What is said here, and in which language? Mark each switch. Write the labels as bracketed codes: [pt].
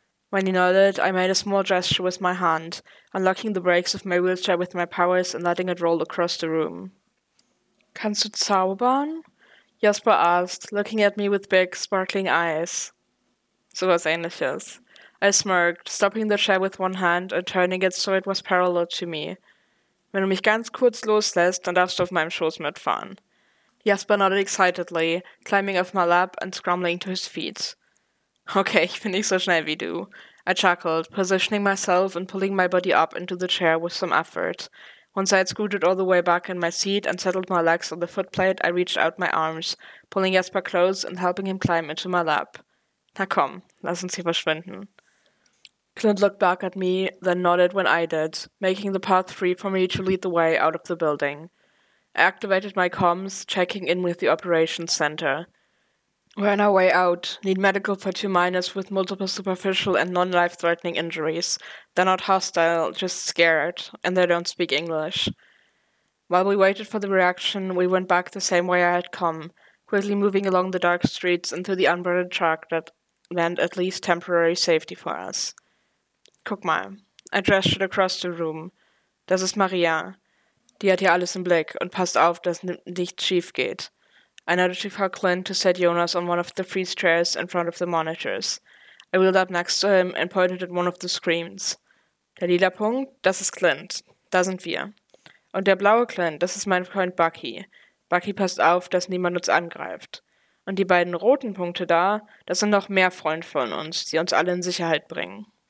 [en] When he nodded, I made a small gesture with my hand, unlocking the brakes of my wheelchair with my powers and letting it roll across the room. [de] Kannst du zaubern? [en] Jasper asked, looking at me with big, sparkling eyes. [de] So was ähnliches. [en] I smirked, stopping the chair with one hand and turning it so it was parallel to me. [de] Wenn du mich ganz kurz loslässt, dann darfst du auf meinem Schoß mitfahren. [en] Jasper nodded excitedly, climbing off my lap and scrambling to his feet. [de] Okay, ich bin nicht so schnell wie du. [en] I chuckled, positioning myself and pulling my body up into the chair with some effort. Once I had scooted all the way back in my seat and settled my legs on the footplate, I reached out my arms, pulling Jasper close and helping him climb into my lap. [de] Na komm, lass uns hier verschwinden. [en] Clint looked back at me, then nodded when I did, making the path free for me to lead the way out of the building. I activated my comms, checking in with the operations center. We're on our way out. Need medical for two minors with multiple superficial and non-life-threatening injuries. They're not hostile, just scared, and they don't speak English. While we waited for the reaction, we went back the same way I had come, quickly moving along the dark streets and through the unburdened track that meant at least temporary safety for us. [de] Guck mal, [en] I gestured across the room. [de] Das ist Maria. Die hat hier alles im Blick und passt auf, dass nichts schief geht. [en] I nodded to call Clint to set Jonas on one of the freeze chairs in front of the monitors. I wheeled up next to him and pointed at one of the screens. [de] Der lila Punkt, das ist Clint. Da sind wir. Und der blaue Clint, das ist mein Freund Bucky. Bucky passt auf, dass niemand uns angreift. Und die beiden roten Punkte da, das sind noch mehr Freunde von uns, die uns alle in Sicherheit bringen.